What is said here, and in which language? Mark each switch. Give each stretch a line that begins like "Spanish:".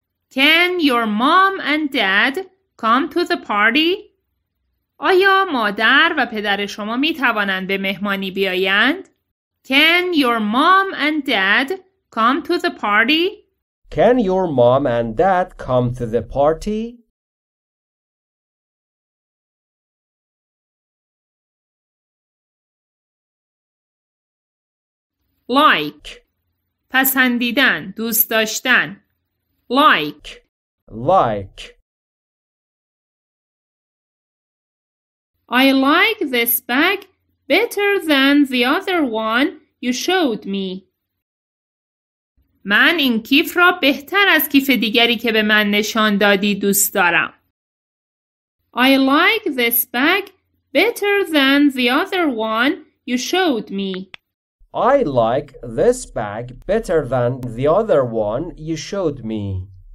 English: Can your mom and dad come to the party?
Persian: آیا مادر و پدر شما می توانند به مهمانی بیایند؟
English: Can your mom and dad come to the party? Can your mom and dad come to the party?
Persian: Like. پسندیدن، دوست داشتن. Like.
English: Like. I like this bag better than the other one you showed me.
Persian: من این کیف را بهتر از کیف دیگری که به من نشان دادی دوست دارم.
English: I like this bag better than the other one you showed me. I like this bag better than the other one you showed me.